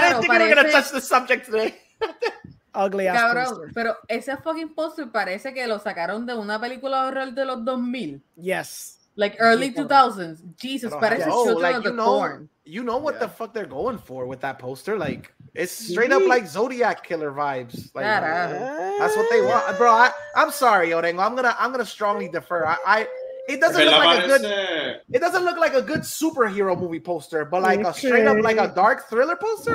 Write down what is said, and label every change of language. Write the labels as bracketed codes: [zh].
[en] I didn't think we're gonna touch the subject today. Ugly ass [es] cabrón, [en] poster. [es] Pero ese fucking poster parece que lo sacaron de una película horror de los 2000. [en] Yes. Like early 2000s. Jesus, parece Children of the Corn. You know what the fuck they're going for with that poster? Like, it's straight up like Zodiac Killer vibes. Like, that's what they want, bro. I'm sorry, Orengo. I'm gonna strongly defer. It doesn't look like a good superhero movie poster, but like a straight up like a dark thriller poster.